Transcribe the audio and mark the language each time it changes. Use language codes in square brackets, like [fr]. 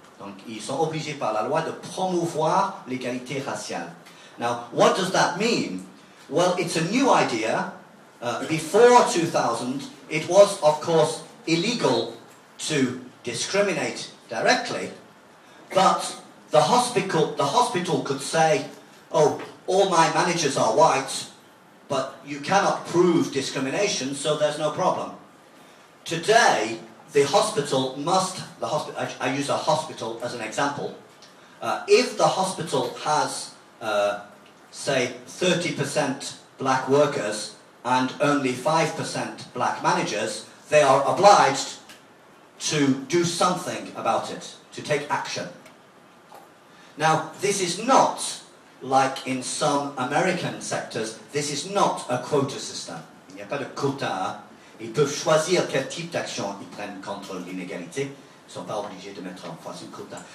[fr] Donc, ils sont obligés par la loi de promouvoir l'égalité raciale. [en] Now, what does that mean? Well, it's a new idea. Before 2000, it was, of course, illegal to discriminate directly, but the hospital could say, "Oh, all my managers are white, but you cannot prove discrimination, so there's no problem." Today, if the hospital has, say, 30% black workers and only 5% black managers, they are obliged to do something about it, to take action. Now, this is not, like in some American sectors, this is not a quota system. [fr] Il n'y a pas de quota. Ils peuvent choisir quel type d'action ils prennent contre l'inégalité. Ils ne sont pas obligés de mettre en place un quota.